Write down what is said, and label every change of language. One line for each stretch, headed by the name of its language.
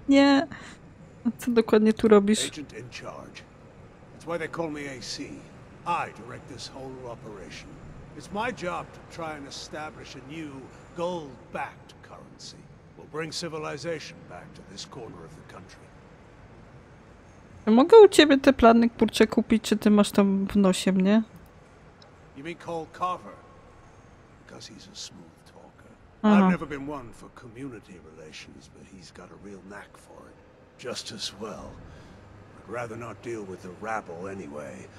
Polish: Nie. Co dokładnie tu robisz?
English: Agent in charge. That's why they call me AC. I direct this whole operation. It's my job to try and establish a new gold-backed currency. We'll bring civilization back to this corner of the country.
Polish: Mogę u ciebie te plany, kurcze, kupić, czy ty masz tam w nosie mnie?
English: You mean Cole Carver? Because he's a smooth talker. Aha. I've never been one for community relations, but he's got a real knack for it. Just as well. I'd rather not deal with the rabble anyway.